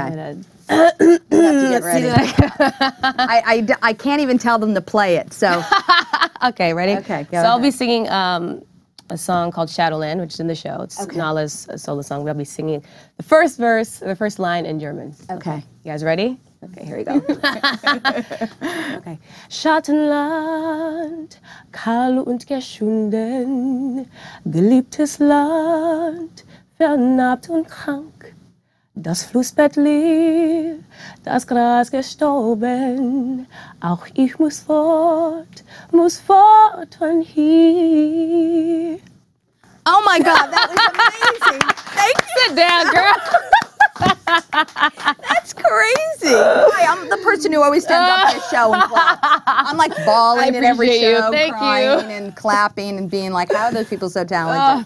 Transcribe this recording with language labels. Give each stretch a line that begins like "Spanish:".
English: So I'm gonna have to get ready. I can't even tell them to play it, so. Okay, ready? Okay, go So ahead. I'll be singing a song called Shadowland, which is in the show. It's Nala's solo song. I'll be singing the first verse, the first line in German. Okay. You guys ready? Okay, here we go. Okay.
German: Schattenland, kahl und geschunden, geliebtes Land, vernarbt und krank, das Flussbett lief, das Gras gestorben, auch ich muss fort von hier.
English: Oh my God, that was amazing. Thank you. Sit down, girl. That's crazy. Hi, I'm the person who always stands up at a show and claps. I'm like bawling in every show, crying and clapping and being like, how are those people so talented?